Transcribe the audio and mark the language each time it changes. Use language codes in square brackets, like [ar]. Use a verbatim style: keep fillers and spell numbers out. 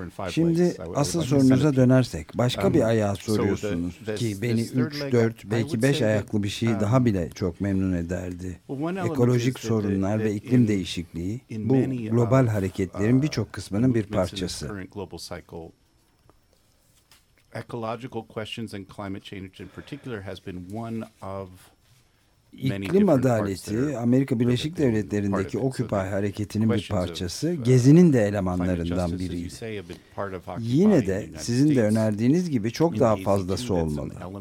[tr] Şimdi asıl sorunuza dönersek, başka bir ayağı soruyorsunuz ki beni üç, dört, belki beş ayaklı bir şey daha bile çok memnun ederdi. Ekolojik sorunlar ve iklim değişikliği bu global hareketlerin birçok kısmının bir parçası. [en] Ecological questions and climate change in particular has been one of many [tr] İklim adaleti Amerika Birleşik Devletleri'ndeki Occupy hareketinin bir parçası, Gezi'nin de elemanlarından biriydi. Yine de sizin de önerdiğiniz gibi çok daha fazlası olmalı.